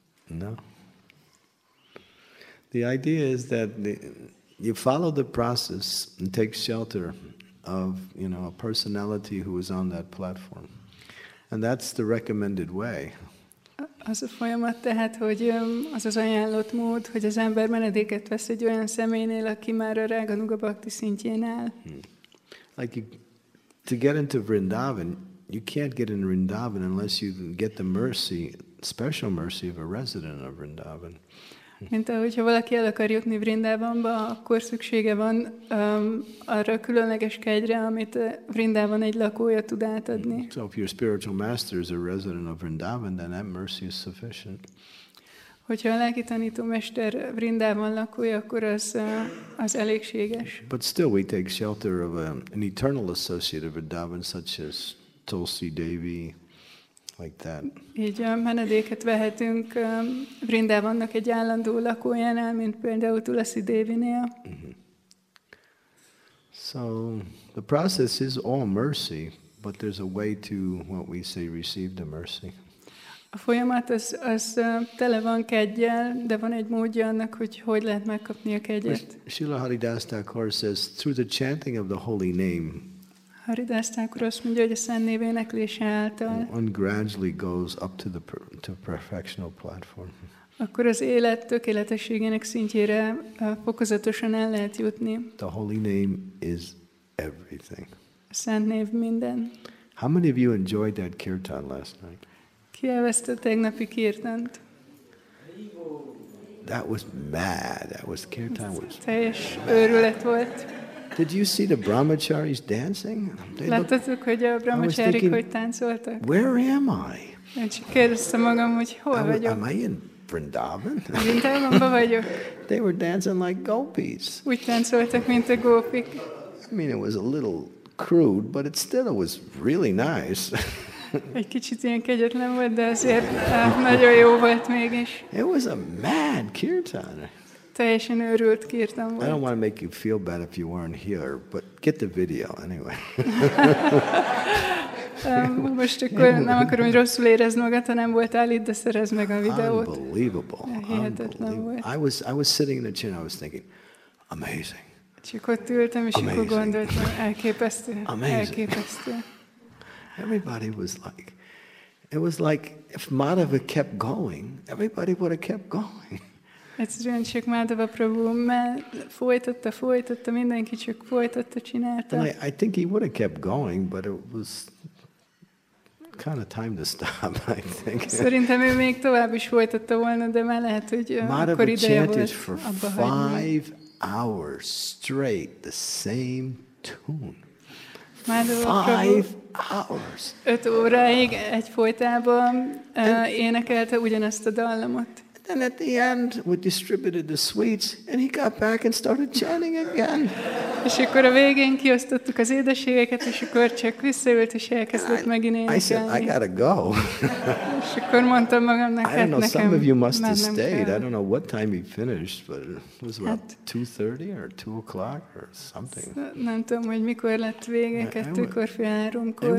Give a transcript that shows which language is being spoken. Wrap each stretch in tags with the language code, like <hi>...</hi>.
<en>No. The idea is that you follow the process and take shelter of, you know, a personality who is on that platform. And that's the recommended way.</en> <hu>Az a folyamat tehát, hogy az az ajánlott mód, hogy az ember menedéket vesz egy olyan személynél, aki már a Raganuga Bhakti szintjén áll.</hu> <en>Like you, to get into Vrindavan, you can't get in Vrindavan unless you get the mercy, special mercy of a resident of Vrindavan.</en> <hu>Mint ahogy, ha valaki el akar jutni Vrindavanba, akkor szüksége van arra a különleges kegyre, amit Vrindavan egy lakója tud átadni.</hu> <en>So if your spiritual master is a resident of Vrindavan, then that mercy is sufficient.</en> <hu>Hogyha a lelki tanító mester Vrindavan lakója, akkor az elégséges.</hu> <en>But still we take shelter of an eternal associate of Vrindavan, such as Tulsi Devi, like that.</en> <hu>Így menedéket vehetünk Vrindavannak egy állandó lakójánál, mint például Tulsi Devinél.</hu> <en>So the process is all mercy, but there's a way to what we say receive the mercy.</en> <hu>A folyamat az tele van kegyel, de van egy módja annak, hogy lehet megkapni a kegyet.</hu> <en>Srila Haridas Thakur says, through the chanting of the holy name,</en> <hu>Haridas Thakur azt mondja, hogy a szent név éneklése által</hu> <en>one gradually goes up to the perfectional platform.</en> <hu>Akkor az élet tökéletességének szintjére fokozatosan el lehet jutni.</hu> <en>The holy name is everything.</en> <hu>A szent név minden.</hu> <en>How many of you enjoyed that kirtan last night?</en> <hu>Ki elveszte tegnapi kirtant?</hu> <en>That was mad. That was kirtan was</en> <hu>teljes őrület volt.</hu> <en>Did you see the brahmacharis dancing? They</en> <hu>láttatok, hogy a brahmacharik hogy táncoltak?</hu> <en>Where am I?</en> <hu>Én csak kérdeztem magam, hogy hol vagyok.</hu> <en>Am I in Vrindavan?</en> <hu>Vrindavanban vagyok.</hu> <en>They were dancing like gopis.</en> <hu>Úgy táncoltak, mint a gópik.</hu> <en>I mean, it was a little crude, but it still was really nice.</en> <hu>Egy kicsit ilyen kegyetlen volt, de azért nagyon jó volt mégis.</hu> <en>It was a mad kirtan.</en> <hu>Teljesen őrült kirtan volt.</hu> <en>I don't want to make you feel bad if you weren't here, but get the video anyway.</en> <hu>Most akkor nem akarom, hogy rosszul érezd magad, ha nem voltál itt, de szerezd meg a videót.</hu> <en>Unbelievable. I was sitting in the chair and I was thinking, amazing.</en> <hu>Csak ott ültem, és akkor gondoltam, elképesztő. Elképesztő.</hu> <en>Everybody was like, it was like if Madhava kept going, everybody would have kept going.</en> <hu>Egyszerűen csak Madhava Prabhu folytatta, mindenki csak folytatta, csinálta.</hu> <en>And I think he would have kept going, but it was kind of time to stop, I think.</en> <hu>Szerintem ő még tovább is folytatta volna, de már lehet, hogy akkor ideje volt abba hagyni.</hu> <en>Madhava chanted for 5 hours straight the same tune. Five hours.</en> <hu>5 óráig egyfolytában énekelte ugyanezt a dallamot.</hu> <en>And at the end, we distributed the sweets, and he got back and started chanting again.</en> <hu>És akkor a végén kiosztottuk az édességeket, és akkor csak visszaült, és elkezdett megint énekelni.</hu> <en>I said, I gotta go.</en> <hu>És akkor mondtam magamnak, hát nekem</hu> <en>I don't know, some of you must have stayed. I don't know what time he finished, but it was about 2:30 or 2 o'clock or something.</en> <hu>Nem tudom, hogy mikor lett vége, 2:00, 3:00.</hu>